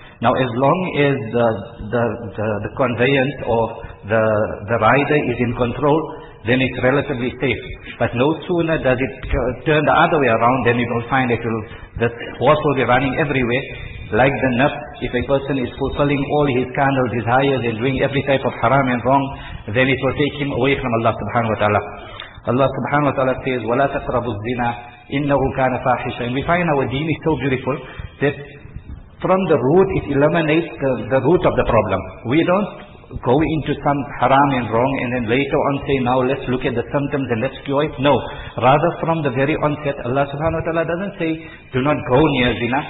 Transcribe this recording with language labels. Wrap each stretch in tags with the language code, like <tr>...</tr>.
<en>Now, as long as the conveyance of the rider is in control, then it's relatively safe. But no sooner does it turn the other way around, then you will find that the horse will be running everywhere. Like the nafs, if a person is fulfilling all his carnal desires and doing every type of haram and wrong, then it will take him away from Allah subhanahu wa ta'ala.</en> <ar>Allah subhanahu wa ta'ala says, وَلَا تَقْرَبُوا الزِّنَا إِنَّهُ كَانَ فَاحِشًا.</ar> <en>And we find our deen is so beautiful that from the root it eliminates the root of the problem. We don't go into some haram and wrong and then later on say, now let's look at the symptoms and let's cure it. No. Rather, from the very onset, Allah subhanahu wa ta'ala doesn't say, do not go near zina.</en>